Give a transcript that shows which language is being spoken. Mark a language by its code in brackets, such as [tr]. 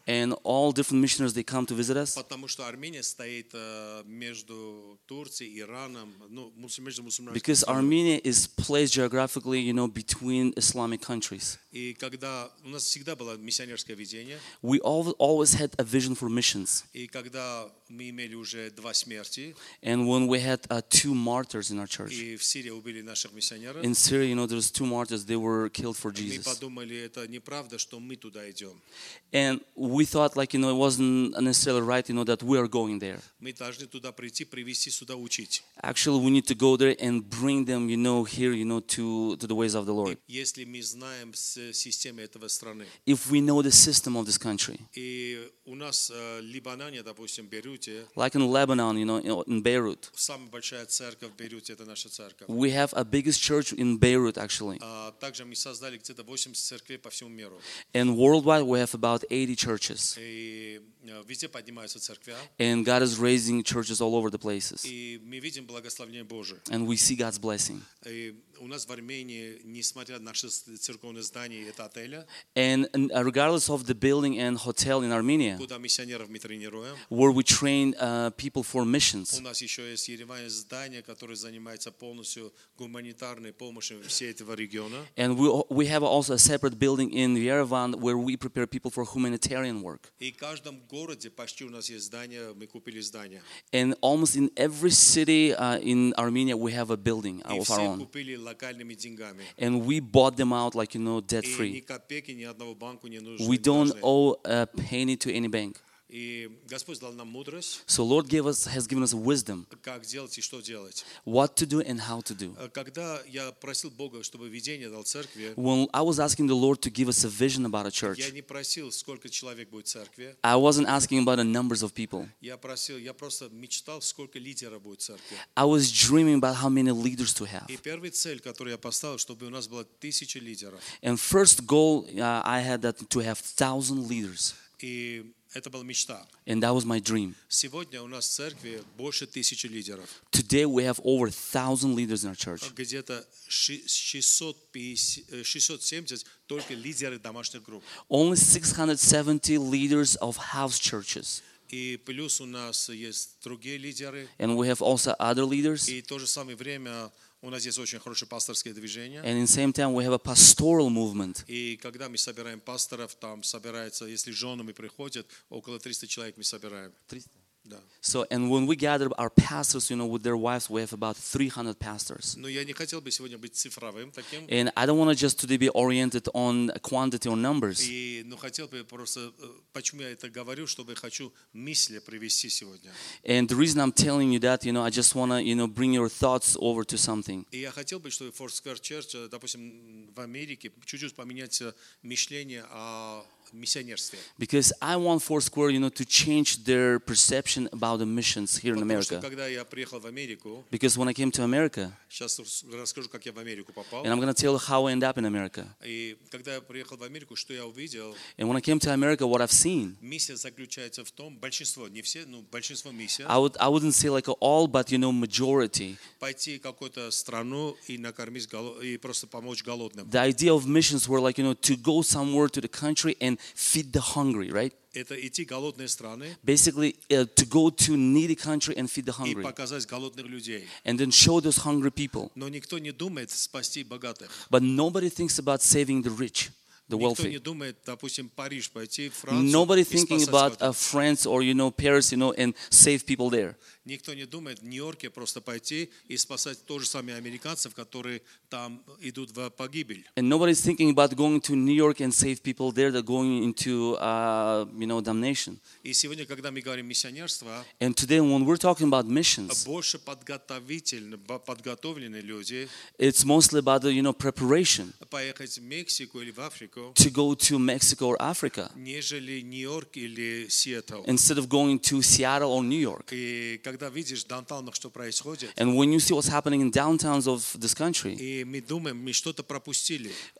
[en] And all different missionaries, they come to visit us. [ru] Потому что Армения стоит между Турцией, Ираном, ну, между мусульманами. [en] Because Armenia is placed geographically, you know, between Islamic countries. [ru] И когда у нас всегда было миссионерское видение. [en] We always had a vision for missions. [ru] И когда мы имели уже два смерти. [en] And when we had two martyrs in our church. [ru] И в Сирии убили наших миссионеров. [en] In Syria, you know, there's two martyrs. They were killed for Jesus. [ru] Мы подумали, это неправда, что мы туда идем. [en] And we thought, like, you know, it wasn't necessarily right, you know, that we are going there. [ru] Мы должны туда прийти, привести сюда учить. [en] Actually, we need to go there and bring them, you know, here, you know, to the ways of the Lord. [ru] Если мы знаем системы этого страны. [en] If we know the system of this country. [ru] И у нас Лебанане, допустим, Бейруте. [en] Like in Lebanon, you know, in Beirut. [ru] Самая большая церковь в Бейруте, это наша церковь. [en] We have a biggest church in Beirut, actually. [ru] Также мы создали где-то 80 церквей по всему миру. [en] And worldwide, we have about 80 churches. [ru] И везде поднимаются церкви. [en] And God is raising churches all over the places. [ru] И мы видим благословение Божие. [en] And we see God's blessing. [ru] И у нас в Армении, несмотря на наше церковное здание и это отель, [en] and regardless of the building and hotel in Armenia, [ru] куда миссионеров мы тренируем, [en] where we train people for missions, [ru] у нас еще есть Ереване здание, которое занимается полностью гуманитарной помощью всей этого региона. [en] And we have also a separate building in Yerevan where we prepare people for humanitarian work. [ru] И в каждом городе почти у нас есть здание, мы купили здание. [en] And almost in every city in Armenia we have a building of our own. [ru] Локальными деньгами. [en] And we bought them out, like, you know, debt free. [ru] Ни копейки ни одного банку не нужно. [en] We don't owe a penny to any bank. [ru] И Господь дал нам мудрость. [en] So Lord gave us, has given us wisdom. [ru] Как делать и что делать. [en] What to do and how to do. [ru] Когда я просил Бога, чтобы видение дал церкви. [en] When I was asking the Lord to give us a vision about a church. [ru] Я не просил, сколько человек будет в церкви. [en] I wasn't asking about the numbers of people. [ru] Я просто мечтал, сколько лидеров будет в церкви. [en] I was dreaming about how many leaders to have. [ru] И первая цель, которую я поставил, чтобы у нас было 1000 лидеров. [en] And first goal I had that to have 1000 leaders. [ru] И это была мечта. [en] And that was my dream. [ru] Сегодня у нас в церкви больше 1000 лидеров. [en] Today we have over 1000 leaders in our church. [ru] Где-то 670 только лидеры домашних групп. [en] Only 670 leaders of house churches. [ru] И плюс у нас есть другие лидеры. [en] And we have also other leaders. [ru] И в то же самое время у нас есть очень хорошее пасторское движение. [en] And in the same time, we have a pastoral movement. [ru] И когда мы собираем пасторов, там собирается, если женами приходят, около 300 человек мы собираем. [en] 300? [ru] Да. [en] So, and when we gather our pastors, you know, with their wives, we have about 300 pastors. [ru] Но я не хотел бы сегодня быть цифровым таким. [en] And I don't want to just today be oriented on quantity or numbers. [ru] И, ну, хотел бы просто, почему я это говорю, чтобы хочу мысли привести сегодня. [en] And the reason I'm telling you that, you know, I just want to, you know, bring your thoughts over to something. [ru] И я хотел бы, чтобы Four Square Church, допустим, в Америке, чуть-чуть поменять мышление о миссионерстве. [en] Because I want Four Square, you know, to change their perception about the missions here in America. [ru] Когда я приехал в Америку, [en] because when I came to America, [ru] сейчас расскажу, как я в Америку попал. [en] And I'm going to tell you how I ended up in America. [ru] И когда я приехал в Америку, что я увидел? [en] And when I came to America, what I've seen? [ru] Миссия заключается в том, большинство, не все, но большинство миссия. [en] I wouldn't say like all, but you know, majority. [ru] Пойти в какую-то страну и накормить и просто помочь голодным. [en] The idea of missions were like, you know, to go somewhere to the country and feed the hungry, right? [ru] Это идти голодные страны. [en] Basically, to go to needy country and feed the hungry. [ru] И показать голодных людей. [en] And then show those hungry people. [ru] Но никто не думает спасти богатых. [en] But nobody thinks about saving the rich, the wealthy. [ru] Никто не думает, допустим, Париж пойти, Францию. [en] Nobody thinking about France or, you know, Paris, you know, and save people there. [ru] Никто не думает в Нью-Йорке просто пойти и спасать тоже самые американцев, которые там идут в погибель. [en] And nobody's thinking about going to New York and save people there that are going into, you know, damnation. [ru] И сегодня, когда мы говорим миссионерство, [en] and today when we're talking about missions, [ru] больше подготовленные люди, [en] it's mostly about the, you know, preparation, [ru] поехать в Мексику или в Африку, [en] to go to Mexico or Africa, [ru] нежели Нью-Йорк или Сиэтл, [en] instead of going to Seattle or New York. [ru] И когда видишь в даунтаунах, что происходит, [en] and when you see what's happening in downtowns of this country, [ru] и мы думаем, мы что-то пропустили.